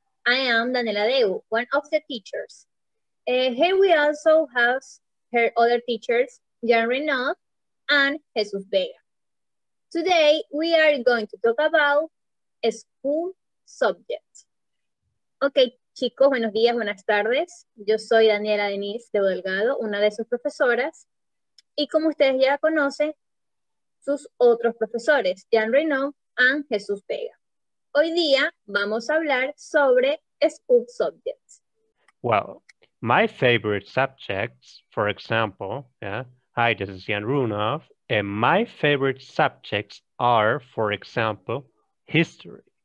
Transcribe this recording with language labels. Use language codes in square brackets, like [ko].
[en] I am Daniella Deu, one of the teachers. Here we also have her other teachers, Jan Renaud and Jesus Vega. Today we are going to talk about a school subject. [es] Okay, chicos, buenos días, buenas tardes. Yo soy Daniella Denise de Delgado, una de sus profesoras. Y como ustedes ya conocen, sus otros profesores, Jan Renaud and Jesus Vega. Hoy día vamos a hablar sobre school subjects. [en] Well, my favorite subjects, for example, hi, this is Jan Runov, and my favorite subjects are, for example, history.